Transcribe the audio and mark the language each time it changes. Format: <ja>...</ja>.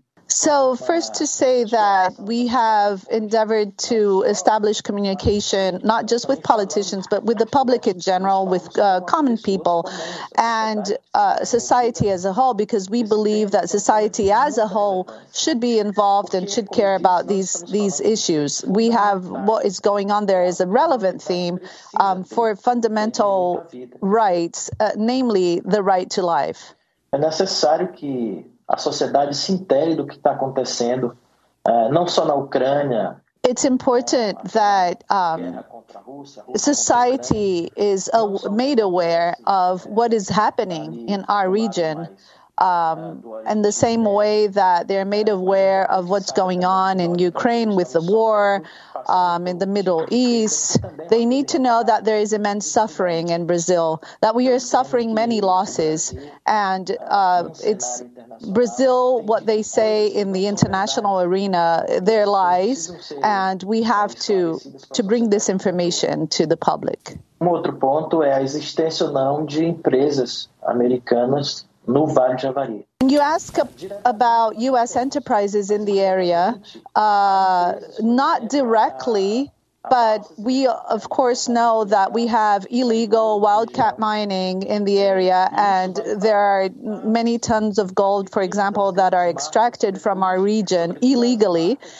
<en>So first to say that we have endeavored to establish communication, not just with politicians, but with the public in general, with common people and society as a whole, because we believe that society as a whole should be involved and should care about these issues. We have what is going on there is a relevant theme for fundamental rights, namely the right to life.</en> <pt>É necessário que a sociedade se entere do que está acontecendo, não só na Ucrânia.</pt> <en>It's important that society is made aware of what is happening in our region, in the same way that they're made aware of what's going on in Ukraine with the war, in the Middle East. They need to know that there is immense suffering in Brazil, that we are suffering many losses. And it's Brazil, what they say in the international arena, there lies, and we have to bring this information to the public.</en> <pt>Um outro ponto é a existência ou não de empresas americanas no Vale do Javari.</pt> <en>And you ask about U.S. enterprises in the area, not directly, but we, of course, know that we have illegal wildcat mining in the area, and there are many tons of gold, for example, that are extracted from our region illegally.</en>